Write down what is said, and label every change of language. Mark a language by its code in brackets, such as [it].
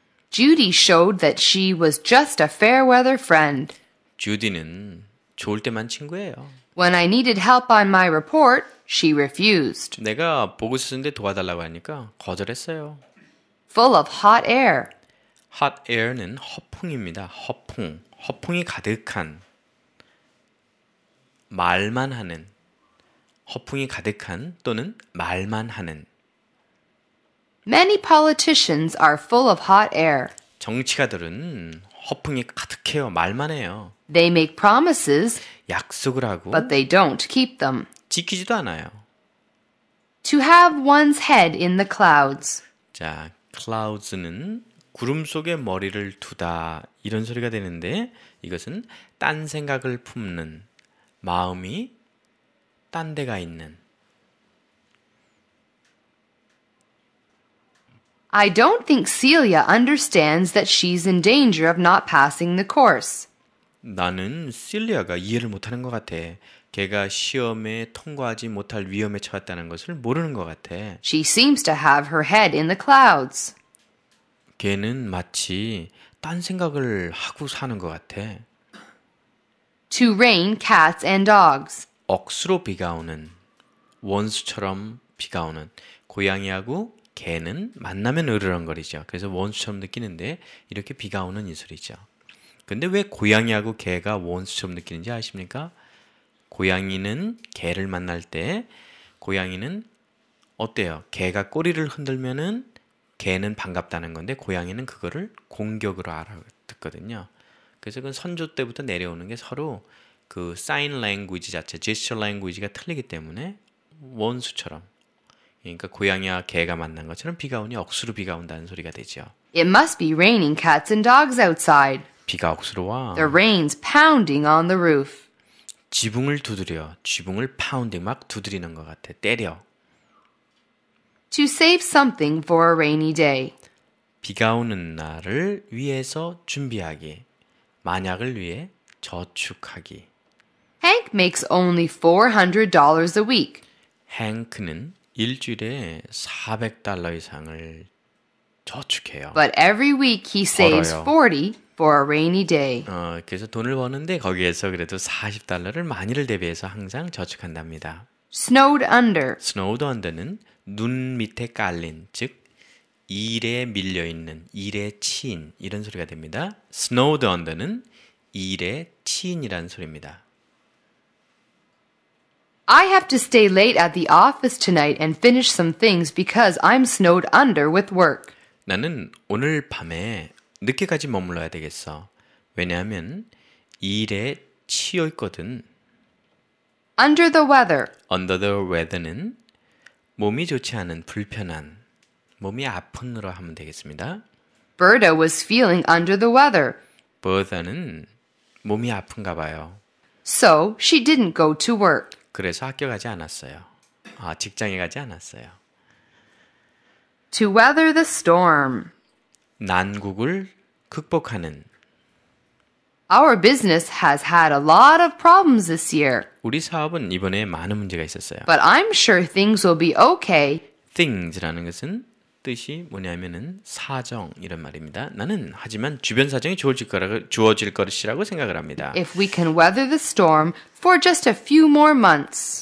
[en] Judy showed that she was just a fair weather friend. [ko] 주디는 좋을 때만 친구예요. [en] When I needed help on my report, she refused. [ko] 내가 보고서 쓰는데 도와달라고 하니까 거절했어요. [en] Full of hot air. Hot air [ko] 는 허풍입니다. 허풍. 허풍이 가득한, 말만 하는, 허풍이 가득한 또는 말만 하는. [en] Many politicians are full of hot air. [ko] 정치가들은 허풍이 가득해요, 말만 해요. [en] They make promises, [ko] 약속을 하고, [en] but they don't keep them. [ko] 지키지도 않아요. [en] To have one's head in the clouds. [ko] 자, clouds는 구름 속에 머리를 두다 이런 소리가 되는데 이것은 딴 생각을 품는 마음이 딴 데가 있는 [en] I don't think Celia understands that she's in danger of not passing the course. [ko] 나는 실리아가 이해를 못 하는 것 같아. 걔가 시험에 통과하지 못할 위험에 처했다는 것을 모르는 것 같아. [en] She seems to have her head in the clouds. [ko] 걔는 마치 딴 생각을 하고 사는 것 같아. [en] To rain cats and dogs. [ko] 억수로 비가 오는, 원수처럼 비가 오는 고양이하고 개는 만나면 으르렁거리죠. 그래서 원수처럼 느끼는데 이렇게 비가 오는 이 소리죠. 근데 왜 고양이하고 개가 원수처럼 느끼는지 아십니까? 고양이는 개를 만날 때 고양이는 어때요? 개가 꼬리를 흔들면은 개는 반갑다는 건데 고양이는 그거를 공격으로 알아듣거든요. 그래서 그건 선조 때부터 내려오는 게 서로 그 사인 랭귀지 자체, 제스처 랭귀지가 틀리기 때문에 원수처럼, 그러니까 고양이와 개가 만난 것처럼 비가 오니 억수로 비가 온다는 소리가 되죠. [en] It must be raining cats and dogs outside. [ko] 비가 억수로 와. [en] The rain's pounding on the roof. [ko] 지붕을 두드려. 지붕을 파운딩, 막 두드리는 것 같아. 때려. [en] To save something for a rainy day. [ko] 비가 오는 날을 위해서 준비하기. 만약을 위해 저축하기. [en] Hank makes only $400 a week. [ko] 헹크는 일주일에 $400 이상을 저축해요. [en] But every week he saves 40 for a rainy day. [ko] 그래서 돈을 버는데 거기에서 그래도 $40를 만일을 대비해서 항상 저축한답니다. [en] Snowed under. Snowed under [ko] 는 눈 밑에 깔린, 즉 일에 밀려 있는, 일에 치인 이런 소리가 됩니다. [en] Snowed under [ko] 는 일에 치인이라는 소리입니다. [en] I have to stay late at the office tonight and finish some things because I'm snowed under with work. [ko] 나는 오늘 밤에 늦게까지 머물러야 되겠어. 왜냐하면 일에 치여 있거든. [en] Under the weather. Under the weather [ko] 는 몸이 좋지 않은, 불편한, 몸이 아픈으로 하면 되겠습니다. [en] Bertha was feeling under the weather. [ko] Bertha는 몸이 아픈가 봐요. [en] So she didn't go to work. [ko] 그래서 학교 가지 않았어요. 아, 직장에 가지 않았어요. [en] To weather the storm. [ko] 난국을 극복하는. [en] Our business has had a lot of problems this year. [ko] 우리 사업은 이번에 많은 문제가 있었어요. [en] But I'm sure things will be okay. [ko] Things라는 것은 뜻이 뭐냐면은 사정 이런 말입니다. 나는 하지만 주변 사정이 주어질 것이라고 생각을 합니다. [en] If we can weather the storm for just a few more months.